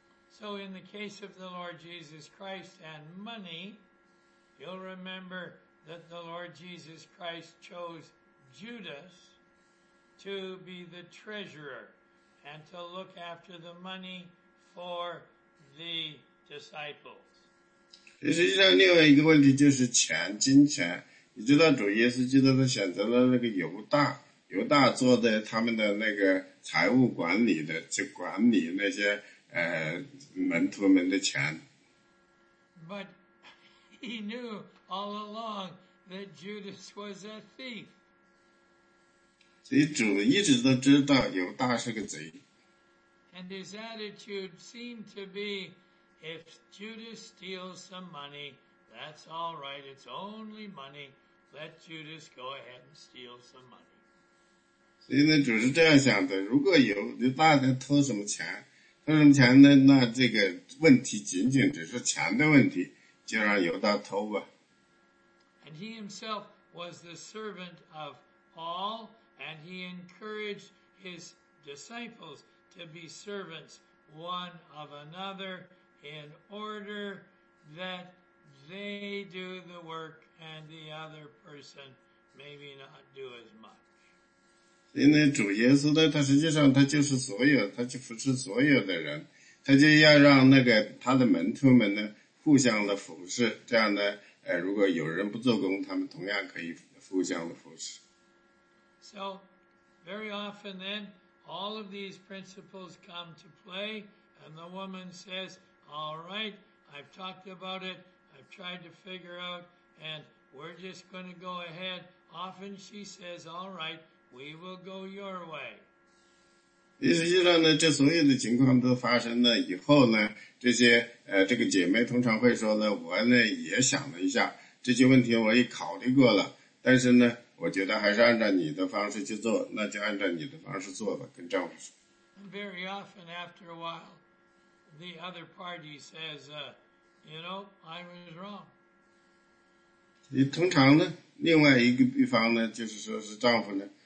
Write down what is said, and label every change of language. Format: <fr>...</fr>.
<en>So in the case of the Lord Jesus Christ and money, you'll remember that the Lord Jesus Christ chose Judas to be the treasurer and to look after the money for the disciples.</en> <zh>实际上另外一个问题就是钱，金钱。你知道主耶稣基督他选择了那个犹大，犹大做的他们的那个财务管理的，去管理那些门徒们的钱。</zh> <en>But he knew all along that Judas was a thief.</en> <zh>所以主一直都知道犹大是个贼。</zh> <en>And his attitude seemed to be, if Judas steals some money, that's all right, it's only money, let Judas go ahead and steal some money.</en> <zh>所以呢主是这样想的，如果犹大他偷什么钱，偷什么钱呢？那这个问题仅仅只是钱的问题，就让犹大偷吧。</zh> <en>And he himself was the servant of Paul, and he encouraged his disciples to be servants one of another in order that they do the work and the other person maybe not do as much.</en> <zh>因为主耶稣呢，他实际上他就是所有，他就服侍所有的人，他就要让那个他的门徒们呢互相的服侍，这样呢，如果有人不做工，他们同样可以互相的服侍。</zh> <en>So, very often then, all of these principles come to play, and the woman says, "All right, I've talked about it, I've tried to figure out, and we're just going to go ahead." Often she says, "All right." We will go your way.</en> <zh>实际上呢，这所有的情况都发生了以后呢，这些这个姐妹通常会说呢，我呢也想了一下这些问题，我也考虑过了，但是呢，我觉得还是按照你的方式去做，那就按照你的方式做吧，跟丈夫说。</zh> <en>Very often after a while, the other party says, "You know, I was wrong."</en> <zh>你通常呢，另外一个一方呢，就是说是丈夫呢。</zh>